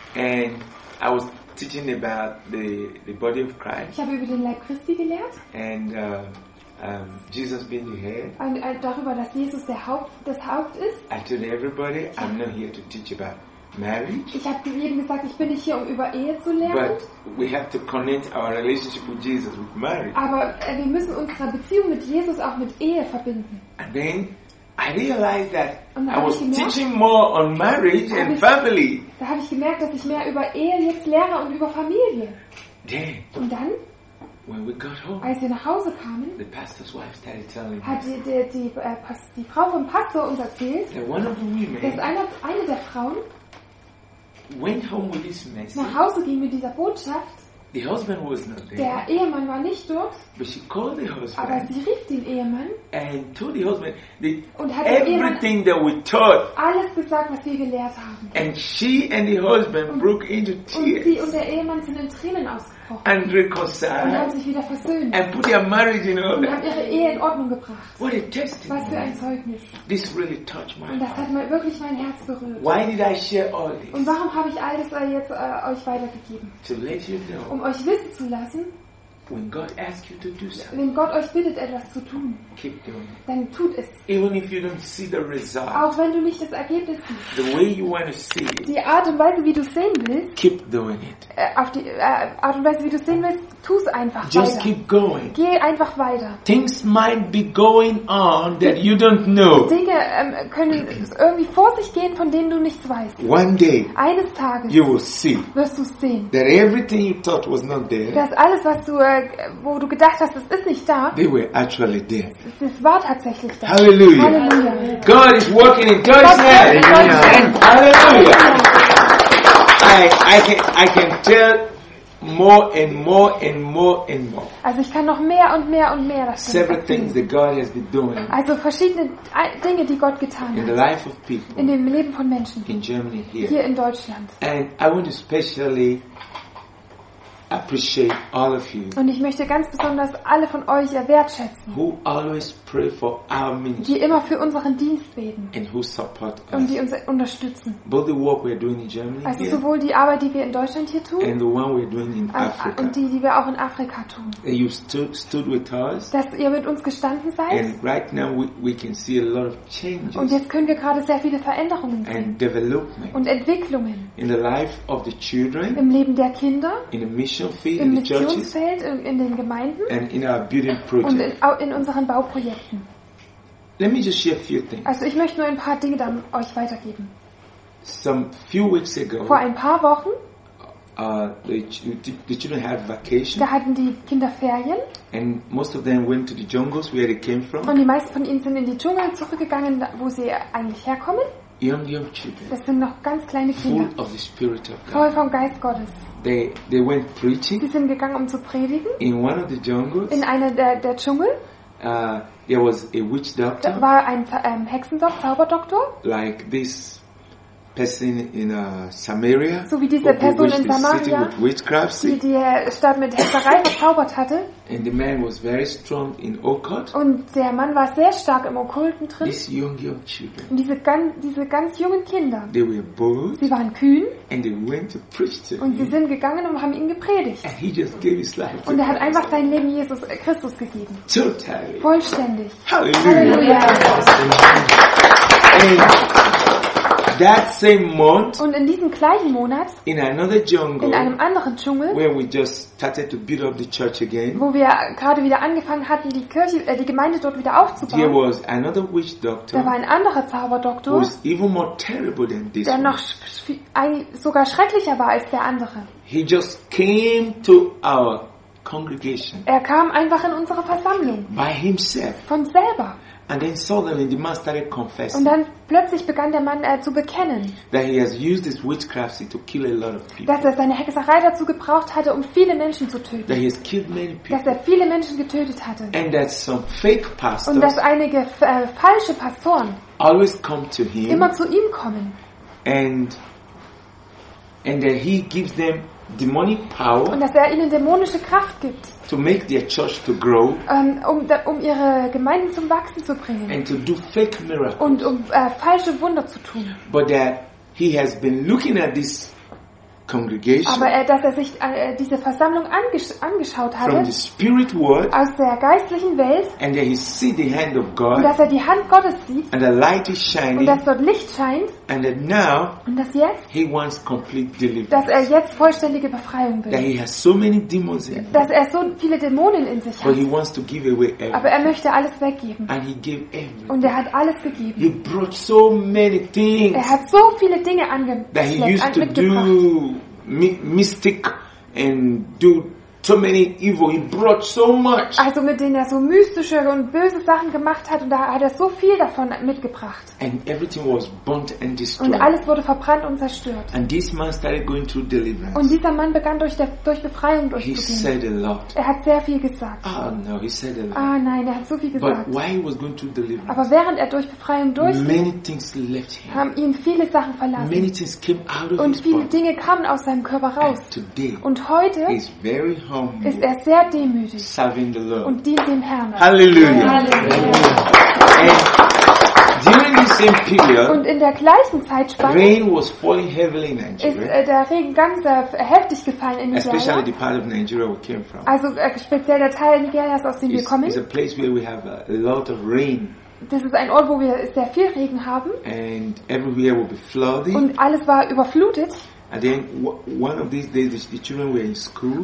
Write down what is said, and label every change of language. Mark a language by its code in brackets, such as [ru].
[en] And I was teaching about the body of Christ. [de] Ich habe über den Leib Christi gelehrt. [en] And Jesus being the head. [de] Und darüber, dass Jesus das Haupt ist. [en] I told everybody, I'm not here to teach about marriage. [de] Ich habe jedem gesagt, ich bin nicht hier, um über Ehe zu lernen. [en] But we have to connect our relationship with Jesus with marriage. [de] Aber wir müssen unsere Beziehung mit Jesus auch mit Ehe verbinden. [en] And then I realized that I was teaching more on marriage and family. [de] Da habe ich gemerkt, dass ich mehr über Ehe jetzt lehre und über Familie. [en] Then. [de] Und dann. [en] When we got home, [de] als wir nach Hause kamen, [en] the pastor's wife started telling [de] hat die Frau vom Pastor uns erzählt, [en] that one of the women, [de] dass eine der Frauen [en] went home with this message, [de] nach Hause ging mit dieser Botschaft. [en] The husband was not there, [de] der Ehemann war nicht dort, [en] but she called the husband, [de] aber sie rief den Ehemann [en] and told the husband the, [de] und hat [en] everything [de] dem Ehemann [en] that we taught, [de] alles gesagt, was wir gelehrt haben. [en] And she and the husband broke into tears. [de] Und sie und der Ehemann sind in Tränen ausgebrochen. [en] And reconciled [de] und haben sich wieder versöhnt [en] and put their marriage in order. [de] Und haben ihre Ehe in Ordnung gebracht. [en] What a testimony. [de] Was für ein Zeugnis. [en] This really touched my [de] und das hat wirklich mein Herz berührt. [en] Why did I share all this? [de] Und warum habe ich all das jetzt euch weitergegeben? [en] To let you know, [de] um euch wissen zu lassen, [en] when God asks you to do something, [de] wenn Gott euch bittet, etwas zu tun, [en] keep doing. [de] Dann tut es. [en] Even if you don't see the result, [de] auch wenn du nicht das Ergebnis siehst, [en] the way you want to see it, [de] die Art und Weise, wie du es sehen willst, [en] keep doing it. [de] Auf die Art und Weise, wie du es sehen willst, tu es einfach [en] just [de] weiter. [en] Keep going. [de] Geh einfach weiter. [en] Things might be going on that you don't know. [de] Dinge können irgendwie vor sich gehen, von denen du nichts weißt. [en] One day, [de] eines Tages, [en] you will see, [de] wirst du sehen, [en] that everything you thought was not there, [de] dass alles, was du wo du gedacht hast, es ist nicht da. [en] They were actually there. [de] Es war tatsächlich da. Halleluja. Halleluja. [en] God is working in God's hand. Halleluja. I can tell more and more and more and more. [de] Also ich kann noch mehr und mehr und mehr davon. [en] Several things that God has been doing. [de] Also verschiedene Dinge, die Gott getan hat. [en] In the life of people. [de] In dem Leben von Menschen. [en] In Germany here. [de] Hier in Deutschland. [en] And I want especially appreciate all of you. [de] Und ich möchte ganz besonders alle von euch wertschätzen. [en] Who always pray for our ministry. [de] Die immer für unseren Dienst beten. [en] And who support us. [de] Und die uns unterstützen. [en] Both the work we are doing in Germany. [de] Also sowohl die Arbeit, die wir in Deutschland hier tun. [en] And the one we are doing in Africa. [de] Und die wir auch in Afrika tun. [en] And you stood with us. [de] Dass ihr mit uns gestanden seid. [en] And right now we can see a lot of changes. [de] Und jetzt können wir gerade sehr viele Veränderungen sehen. [en] And development. [de] Und Entwicklungen. [en] In the life of the children. [de] Im Leben der Kinder. [en] In the mission. [de] Im Missionsfeld, in den Gemeinden [en] and in our building project. [de] Und in unseren Bauprojekten. [en] Let me just share a few things. [de] Also ich möchte nur ein paar Dinge dann euch weitergeben. [en] Some few weeks ago, [de] vor ein paar Wochen [en] the children had vacation. [de] Da hatten die Kinder Ferien. [en] And most of them went to the jungles where they came from. [de] Und die meisten von ihnen sind in die Dschungel zurückgegangen, wo sie eigentlich herkommen. [en] Young children, [de] das sind noch ganz kleine Kinder. [en] Full of the Spirit of God. [de] Voll vom Geist Gottes. [en] They went preaching. [de] Sie sind gegangen, um zu predigen. [en] In one of the jungles. [de] In einer der Dschungel. [en] There was a witch doctor. [de] Da war ein Hexendoktor, Zauberdoktor. [en] Like this Person in Samaria, [de] so wie diese Person in Samaria, die Stadt mit Hexerei verzaubert hatte. [en] And the man was very strong in occult. [de] Und der Mann war sehr stark im Okkulten drin. [en] These young children, [de] und diese ganz jungen Kinder, [en] they were bold, [de] sie waren kühn, [en] and they went to preach to [de] und sie sind gegangen und haben ihn gepredigt. [en] And he just gave his life [de] und er hat einfach sein Leben Jesus Christus gegeben. [en] Totally. [de] Vollständig. Halleluja. [en] That same month, [de] und in diesem gleichen Monat, [en] in another jungle, [de] in einem anderen Dschungel, [en] where we just started to build up the church again, [de] wo wir gerade wieder angefangen hatten, die Kirche, die Gemeinde dort wieder aufzubauen, [en] there was another witch doctor, [de] da war ein anderer Zauberdoktor, [en] who was even more terrible than this [de] der noch sogar schrecklicher war als der andere. [en] He just came to our congregation. [de] Er kam einfach in unsere Versammlung. [en] By himself. [de] Von selber. [en] And then suddenly the man started confessing. [de] Und dann plötzlich begann der Mann zu bekennen, [en] that he has used his witchcraft to kill a lot of people. [de] Dass er seine Hexerei dazu gebraucht hatte, um viele Menschen zu töten. [en] That he has killed many people. [de] Dass er viele Menschen getötet hatte. [en] And that some fake pastors, [de] und dass einige falsche Pastoren [en] always come to him, [de] immer zu ihm kommen. [en] And that he gives them demonic power, [de] und dass er ihnen dämonische Kraft gibt, [en] to make their church to grow, [de] um ihre Gemeinden zum Wachsen zu bringen, [en] and to do fake miracles, [de] und um falsche Wunder zu tun. [en] But that he has been looking at this congregation, [de] aber dass er sich diese Versammlung angeschaut hatte, [en] from the spirit world, [de] aus der geistlichen Welt, [en] and that he see the hand of God, [de] und dass er die Hand Gottes sieht, [en] and the light is shining, [de] und dass dort Licht scheint, [en] and that now, [de] und dass jetzt, [en] he wants complete deliverance, [de] dass er jetzt vollständige Befreiung will, [en] that he has so many demons in, [de] dass er so viele Dämonen in sich hat, [en] but he wants to give away everything, [de] aber er möchte alles weggeben, [en] and he gave everything, [de] und er hat alles gegeben. [en] He brought so many things, [de] er hat so viele Dinge angeschleppt, [en] that he used to do mystic and do so many evil. He brought so much. [de] Also mit denen er so mystische und böse Sachen gemacht hat, und da hat er so viel davon mitgebracht. [en] And everything was burnt and destroyed. [de] Und alles wurde verbrannt und zerstört. [en] And this man started going through deliverance. [de] Und dieser Mann begann durch Befreiung durchzugehen. [en] He said a lot. [de] Er hat sehr viel gesagt. [en] Oh no, he said a lot. [de] Ah nein, er hat so viel gesagt. [en] But while he was going through deliverance, [de] aber während er durch Befreiung durchging, [en] many things left him. [de] Haben ihn viele Sachen verlassen. [en] Many things came out of [de] und viele Dinge kamen aus seinem Körper raus. [en] And today, [de] und heute [en] is very hard. [de] Ist er sehr demütig, [en] serving the Lord, [de] und dient dem Herrn. Halleluja. [en] During the same period, [de] und in der gleichen Zeitspanne, [en] rain was falling heavily in Nigeria, [de] ist der Regen ganz heftig gefallen in Nigeria. [en] Especially the part of Nigeria we came from. [de] Also speziell der Teil Nigerias, aus dem wir kommen. [en] It's a place where we have a lot of rain. [de] Das ist ein Ort, wo wir sehr viel Regen haben. [en] And everywhere will be flooded. [de] Und alles war überflutet. [en] And then one of these days the children were in school.